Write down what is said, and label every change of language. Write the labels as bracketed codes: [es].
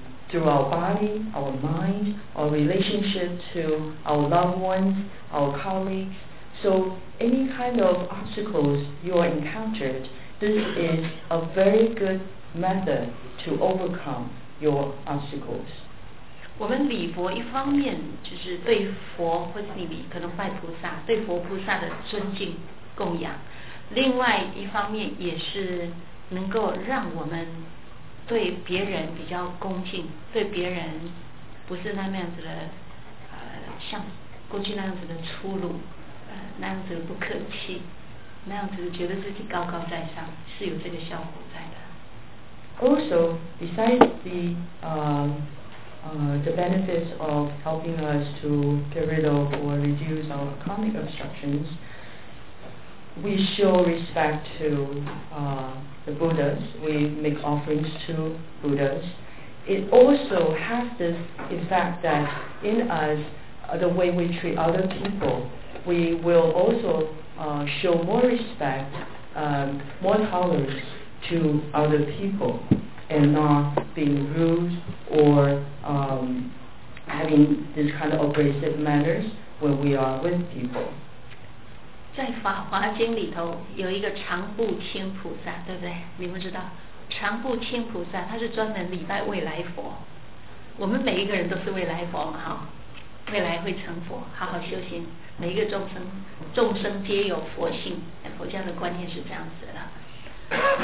[en] Through our body, our mind, our relationship to our loved ones, our colleagues. So any kind of obstacles you are encountered, this is a very good method to overcome your obstacles. [zh] 我们礼佛一方面就是对佛或是你可能拜菩萨，对佛菩萨的尊敬供养，另外一方面也是能够让我们对别人比较恭敬，对别人不是那样子的，像过去那样子的粗鲁，那样子的不客气，那样子的觉得自己高高在上，是有这个效果在的。 [en] Also, besides the benefits of helping us to get rid of or reduce our karmic obstructions, we show respect to. The Buddhas, we make offerings to Buddhas. It also has this effect that in us, the way we treat other people, we will also show more respect, more tolerance to other people, and not being rude or having this kind of abrasive manners when we are with people. [zh] 在法华经里头有一个常不清菩萨，对不对？你们知道常不清菩萨，他是专门礼拜未来佛。我们每一个人都是未来佛嘛，哈，未来会成佛，好好修行。每一个众生，众生皆有佛性，佛教的观念是这样子的。